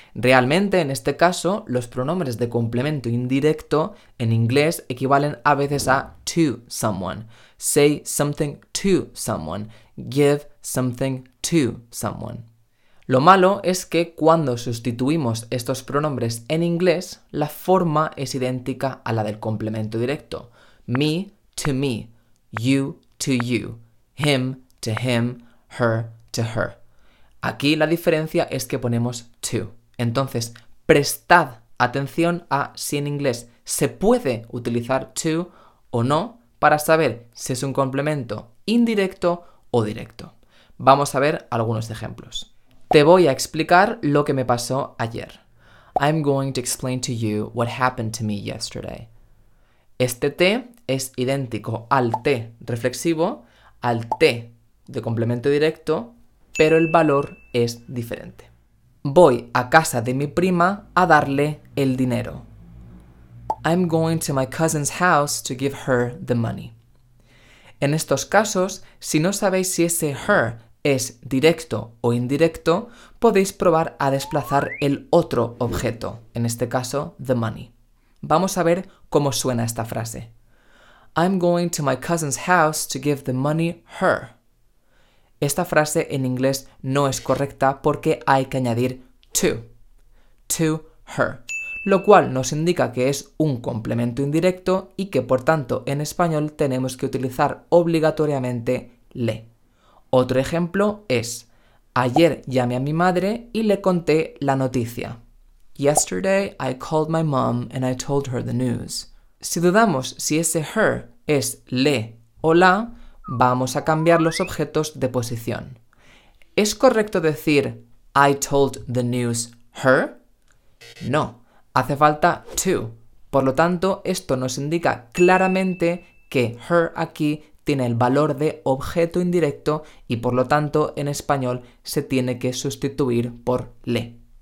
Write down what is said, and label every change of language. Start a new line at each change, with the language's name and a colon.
Spanish: Realmente, en este caso, los pronombres de complemento indirecto en inglés equivalen a veces a
English: to someone. Say something to someone. Give something to someone.
Spanish: Lo malo es que cuando sustituimos estos pronombres en inglés, la forma es idéntica a la del complemento directo.
English: Me to me, you to you, him to him, her to her.
Spanish: Aquí la diferencia es que ponemos to. Entonces, prestad atención a si en inglés se puede utilizar to o no para saber si es un complemento indirecto o directo. Vamos a ver algunos ejemplos. Te voy a explicar lo que me pasó ayer.
English: I'm going to explain to you what happened to me yesterday.
Spanish: Este te es idéntico al te reflexivo, al te de complemento directo, pero el valor es diferente. Voy a casa de mi prima a darle el dinero.
English: I'm going to my cousin's house to give her the money.
Spanish: En estos casos, si no sabéis si ese her es directo o indirecto, podéis probar a desplazar el otro objeto, en este caso,
English: the money.
Spanish: Vamos a ver cómo suena esta frase.
English: I'm going to my cousin's house to give the money her.
Spanish: Esta frase en inglés no es correcta porque hay que añadir to her, lo cual nos indica que es un complemento indirecto y que, por tanto, en español tenemos que utilizar obligatoriamente le. Otro ejemplo es, ayer llamé a mi madre y le conté la noticia.
English: Yesterday I called my mom and I told her the news.
Spanish: Si dudamos si ese her es le o la, vamos a cambiar los objetos de posición. ¿Es correcto decir
English: I told the news her?
Spanish: No, hace falta to. Por lo tanto, esto nos indica claramente que her aquí tiene el valor de objeto indirecto y por lo tanto en español se tiene que sustituir por le.